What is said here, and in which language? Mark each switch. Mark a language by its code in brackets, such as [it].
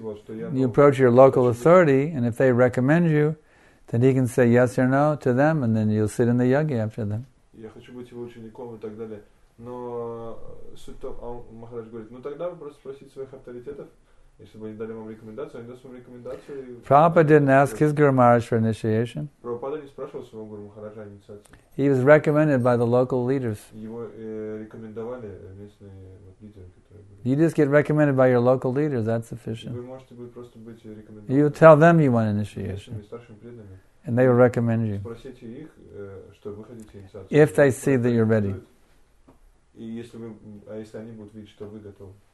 [en] You approach your local authority, and if they recommend you, then he can say yes or no to them, and then you'll sit in the yagya after them. [ru] Я хочу быть его учеником и так далее. Но суть то, Махарадж говорит, ну тогда вы просто спросите своих авторитетов, если бы они дали вам рекомендацию, они даст вам рекомендацию. [en] Prabhupada didn't ask his Guru Maharaj for initiation. [ru] Prabhupada не спрашивал своего Гуру Махараджа инициацию. [en] He was recommended by the local leaders. [ru] Его рекомендовали местные лидеры, которые были. [en] You just get recommended by your local leaders, that's sufficient. [ru] Вы можете просто быть рекомендованы. [en] You tell them you want initiation. [ru] Старшими преданными. [en] And they will recommend you. [ru] Спросите их, что вы хотите инициацию. [en] If they see that you're ready. [ru] И если они будут видеть, что вы готовы.